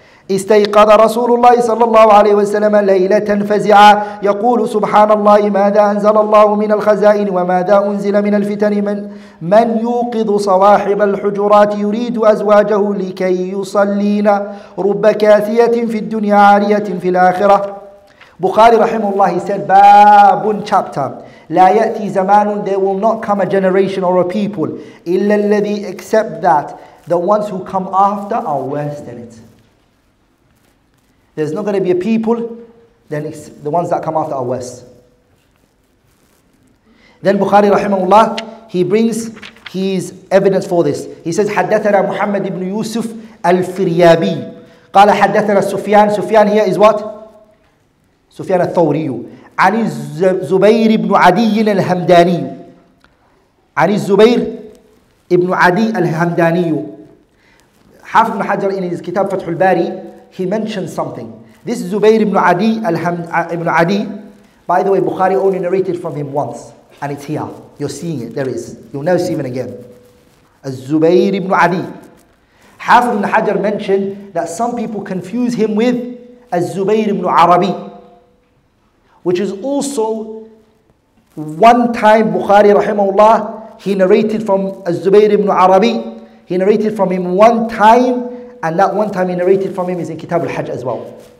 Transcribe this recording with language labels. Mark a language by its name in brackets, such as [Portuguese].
[Arabic] استيقظ رسول الله صلى الله عليه وسلم ليلة فزعا يقول سبحان الله ماذا أنزل الله من الخزائن وماذا أنزل من الفتن من يوقظ صواحب الحجرات يريد أزواجه لكي يصلين رب كاثية في الدنيا عارية في الآخرة. [English] Bukhari rahimullah, he said, Babun chapter, [Arabic] La yati zamanun, [English] there will not come a generation or a people, [Arabic] illa alladhi, [English] except that the ones who come after are worse than it. There's not going to be a people, then it's the ones that come after are worse. Then Bukhari rahimullah, he brings his evidence for this. He says, Haddathana Muhammad ibn Yusuf al-Firyabi. [Arabic] Qala haddathana [English] Sufyan. Sufyan here is what? [Arabic] سفيان الثوري عن الزبير بن عدي الهمداني عن الزبير بن عدي الهمداني. [English] حافظ بن حجر in his كتاب فتح الباري he mentioned something. This زبير بن عدي ابن عدي, by the way, Bukhari only narrated from him once and it's here, you're seeing it, there is, you'll never see him again. [Arabic] الزبير بن عدي. [English] حافظ بن حجر mentioned that some people confuse him with الزبير بن عربي, which is also one time Bukhari rahimahullah, he narrated from Az-Zubayr ibn Arabi, he narrated from him one time, and that one time he narrated from him is in Kitab al-Hajj as well.